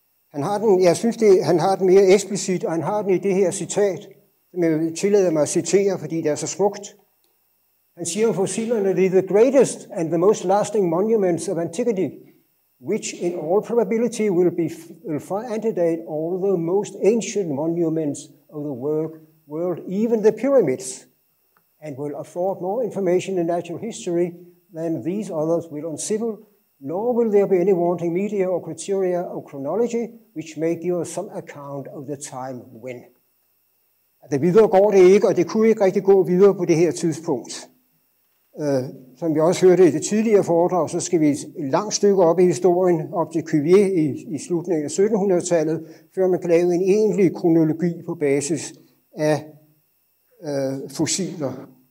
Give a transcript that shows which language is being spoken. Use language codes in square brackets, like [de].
[da] Han har den mere eksplicit, og han har den i det her citat, som jeg tillader mig at citere, fordi det er så smukt. Han siger om fossilerne, [en] "They are the greatest and the most lasting monuments of antiquity, which in all probability will antedate all the most ancient monuments of the world, even the pyramids, and will afford more information in natural history than these others will on civil. Nor will there be any wanting media or criteria or chronology, which may give us some account of the time when." [da] At det videre går det ikke, og det kunne ikke rigtig gå videre på det her tidspunkt. Som vi også hørte i det tidligere foredrag, så skal vi et langt stykke op i historien, op til Cuvier i slutningen af 1700-tallet, før man kan lave en egentlig kronologi på basis af fossiler.